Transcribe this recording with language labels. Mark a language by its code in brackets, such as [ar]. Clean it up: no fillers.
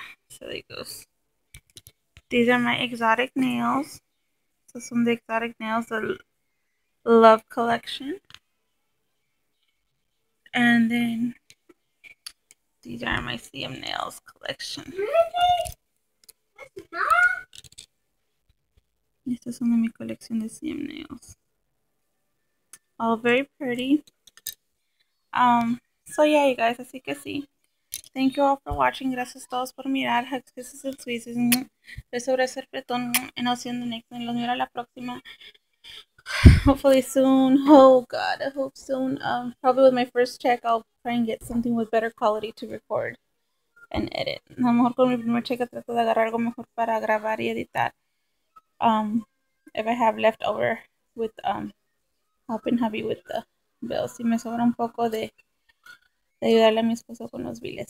[en] So there goes. These are my exotic nails. So some of the exotic nails, the Love collection. And then these are my CM nails collection. [es] Estas son de mi colección de CM nails. [en] All very pretty. So yeah, you guys, [es] así que sí. [en] Thank you all for watching. [es] Gracias a todos por mirar. [en] Kisses and squeezes. [es] Beso, beso, apretón. [en] And I'll see you in the next one. [es] Los miro a la próxima. [en] Hopefully soon. Oh God, I hope soon. Probably with my first check, I'll try and get something with better quality to record and edit. [es] A lo mejor con mi primer check trato de agarrar algo mejor para grabar y editar. [en] If I have left over with helping hubby with the bills. [es] Si me sobra un poco de ayudarle a mi esposo con los biles.